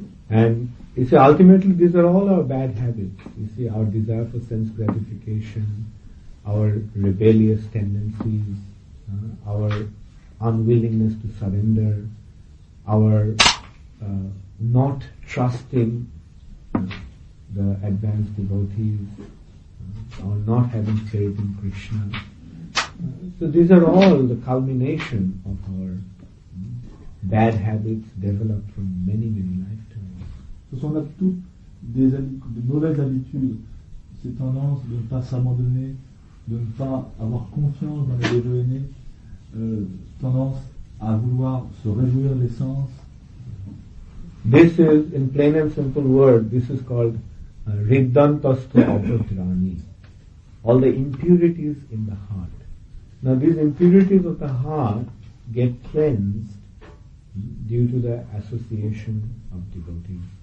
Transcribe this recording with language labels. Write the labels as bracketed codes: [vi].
[en] And you see, ultimately these are all our bad habits. You see, our desire for sense gratification, our rebellious tendencies, our unwillingness to surrender, our not trusting the advanced devotees, or not having faith in Krishna. So these are all the culmination of our bad habits developed from many, many lifetimes. [fr] Ce sont là toutes de mauvaises habitudes, ces tendances de ne pas s'abandonner, de ne pas avoir confiance dans les devenus, tendance à vouloir se réjouir des sens. [en] This is, in plain and simple words, this is called Riddhantastha Apadrani. All the impurities in the heart. Now these impurities of the heart get cleansed due to the association of devotees.